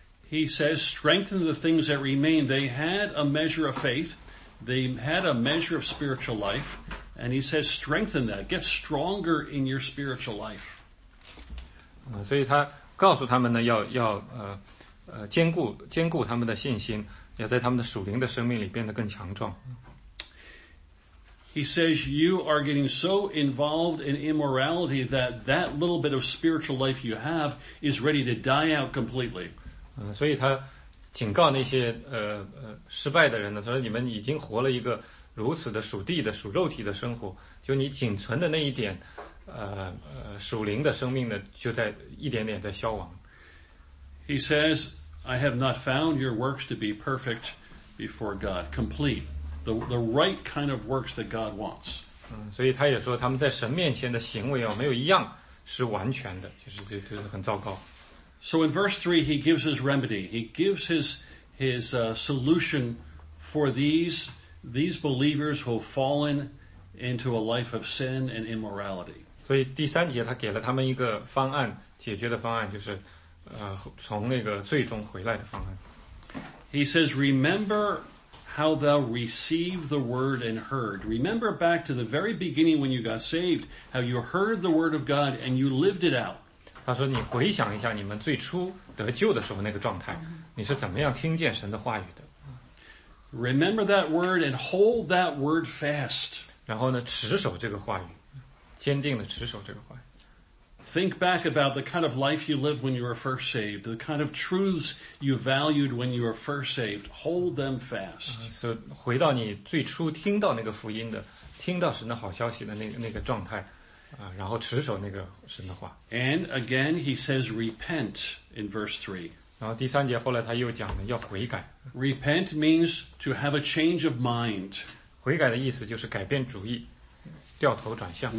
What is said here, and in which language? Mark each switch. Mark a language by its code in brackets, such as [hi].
[en] He says, strengthen the things that remain. They had a measure of faith. They had a measure of spiritual life. And he says, strengthen that. Get stronger in your spiritual life. [zh] 所以他告诉他们呢，要坚固他们的信心，要在他们的属灵的生命里变得更强壮。 [en] He says, you are getting so involved in immorality that little bit of spiritual life you have is ready to die out completely. [zh] 所以他警告那些失败的人呢，他说你们已经活了一个如此的属地的属肉体的生活，就你仅存的那一点属灵的生命呢，就在一点点在消亡。 [en] He says, I have not found your works to be perfect before God, complete. The right kind of works that God wants. [zh] 所以他也说他们在神面前的行为没有一样是完全的，就是很糟糕。 [en] So in verse 3, he gives his remedy. He gives his solution for these believers who have fallen into a life of sin and immorality. [zh] 所以第三节他给了他们一个方案，解决的方案就是从那个罪中回来的方案。 [en] He says, remember... How thou received the word and heard. Remember back to the very beginning when you got saved, how you heard the word of God and you lived it out. [zh] 他说你回想一下你们最初得救的时候那个状态，你是怎么样听见神的话语的。 [en] Remember that word and hold that word fast. [zh] 然后呢，持守这个话语，坚定地持守这个话语。 [en] Think back about the kind of life you lived when you were first saved, the kind of truths you valued when you were first saved. Hold them fast. [zh] So, 回到你最初听到那个福音的，听到神的好消息的那个状态，然后持守那个神的话。 [en] And again, he says, repent in verse 3. [zh] 然后第三节后来他又讲了要悔改。 [en] Repent means to have a change of mind. [zh] 悔改的意思就是改变主意，掉头转向。